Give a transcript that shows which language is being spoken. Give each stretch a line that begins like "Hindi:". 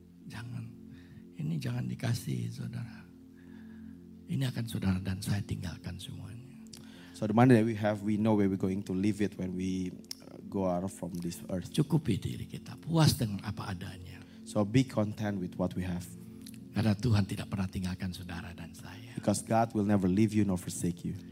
Indonesian: Jangan, ini jangan dikasih, saudara. Ini akan saudara dan saya tinggalkan semuanya.
English: So the money that we have, we know where we're going to leave it when we go out from this earth.
Indonesian: Cukupi diri kita, puas dengan apa adanya.
English: So be content with what we have.
Indonesian: Karena Tuhan tidak pernah tinggalkan saudara dan saya.
English: Because God will never leave you nor forsake you.